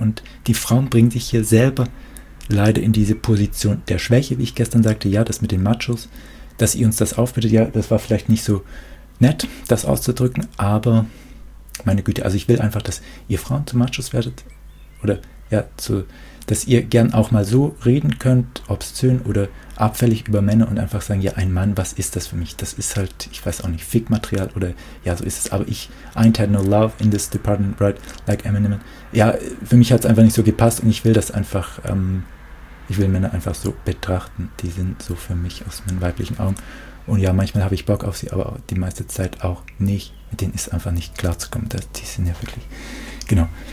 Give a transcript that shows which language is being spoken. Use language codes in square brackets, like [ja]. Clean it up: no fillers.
[de] Und die Frauen bringen sich hier selber leider in diese Position der Schwäche, wie ich gestern sagte, ja, das mit den Machos, dass ihr uns das aufbittet, ja, das war vielleicht nicht so nett, das auszudrücken, aber meine Güte, also ich will einfach, dass ihr Frauen zu Machos werdet oder ja, zu, dass ihr gern auch mal so reden könnt, obszön oder abfällig über Männer und einfach sagen, ja, ein Mann, was ist das für mich? Das ist halt, ich weiß auch nicht, Fickmaterial oder ja, so ist es. [en] Aber ich, I ain't had no love in this department, right, like Eminem. [de] Ja, für mich hat es einfach nicht so gepasst und ich will das einfach, ich will Männer einfach so betrachten. Die sind so für mich aus meinen weiblichen Augen. Und ja, manchmal habe ich Bock auf sie, aber die meiste Zeit auch nicht. Mit denen ist einfach nicht klar zu kommen. Die sind ja wirklich, genau.